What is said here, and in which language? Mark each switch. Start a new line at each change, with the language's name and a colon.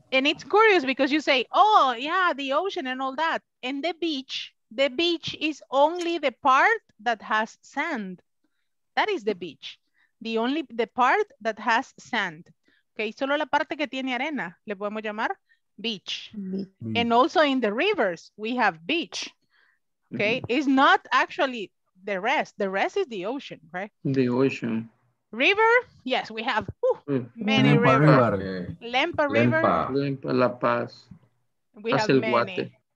English: And it's curious because you say, oh, yeah, the ocean and all that. And the beach is only the part that has sand. That is the beach. The part that has sand.
Spanish: Okay, solo la parte que tiene arena, le podemos llamar beach.
English: And also in the rivers, we have beach. Okay, it's not actually the rest. The rest is the ocean, right? The ocean. River, yes, we have many rivers. Lempa River. Lempa, La Paz. We have many.